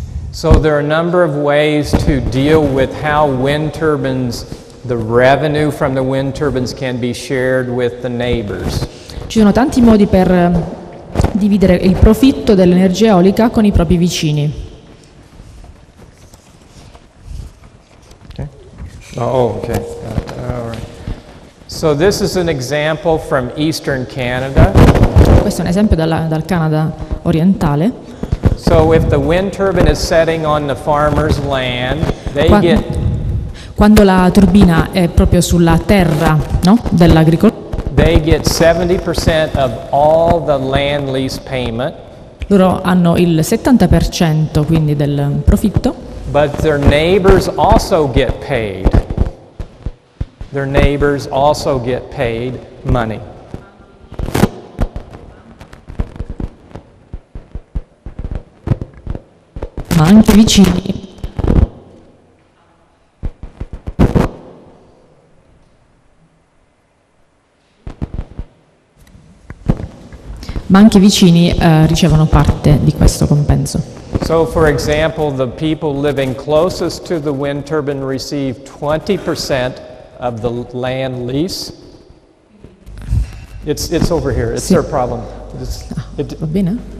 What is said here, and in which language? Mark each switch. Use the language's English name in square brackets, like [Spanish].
[English] So there are a number of ways to deal with how wind turbines, the revenue from the wind turbines can be shared with the neighbors. [Italian] Ci sono tanti modi per dividere il profitto dell'energia eolica con i propri vicini. [English] Okay. Oh, okay. All right. So this is an example from Eastern Canada. [Italian] Questo è un esempio dal Canada orientale. [English] So if the wind turbine is setting on the farmer's land, they get [Italian] quando la turbina è proprio sulla terra, no, dell'agricoltore. [English] They get 70% of all the land lease payment. [Italian] Loro hanno il 70% quindi del profitto. [English] But their neighbors also get paid. Their neighbors also get paid money. [Italian] Ma anche vicini. Ma anche vicini ricevono parte di questo compenso. [English] So for example, the people living closest to the wind turbine receive 20% of the land lease. It's over here. It's [Italian] sì. [English] Their problem. [Italian] Va bene.